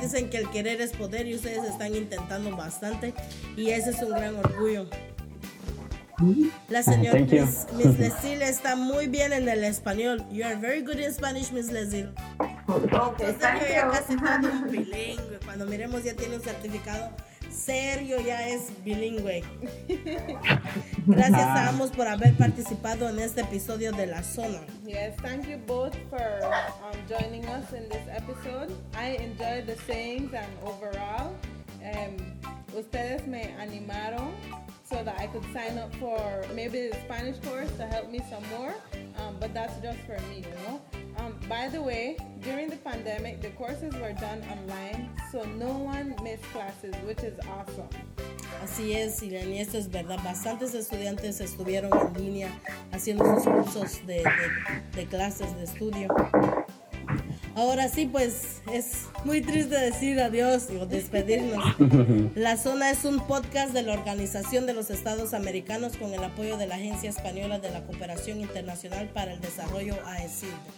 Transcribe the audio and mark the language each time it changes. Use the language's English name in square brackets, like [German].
[Spanish] Dicen que el querer es poder y ustedes están intentando bastante. Y ese es un gran orgullo. La señora Miss Lesil está muy bien en el español. [English] You are very good in Spanish, Miss Lesil. Okay, thank you. [Spanish] Ya casi está un bilingüe. Cuando miremos ya tiene un certificado serio ya es bilingüe. Gracias a ambos por haber participado en este episodio de La Zona. [English] Yes, thank you both for joining us in this episode. I enjoyed the sayings and overall, [Spanish] ustedes me animaron [English] so that I could sign up for maybe the Spanish course to help me some more, but that's just for me, you know. By the way, during the pandemic, the courses were done online, so no one missed classes, which is awesome. [Spanish] Así es, Ileni, esto es verdad. Bastantes estudiantes estuvieron en línea haciendo sus cursos de clases de estudio. Ahora sí, pues, es muy triste decir adiós o despedirnos. La Zona es un podcast de la Organización de los Estados Americanos con el apoyo de la Agencia Española de la Cooperación Internacional para el Desarrollo, AECID.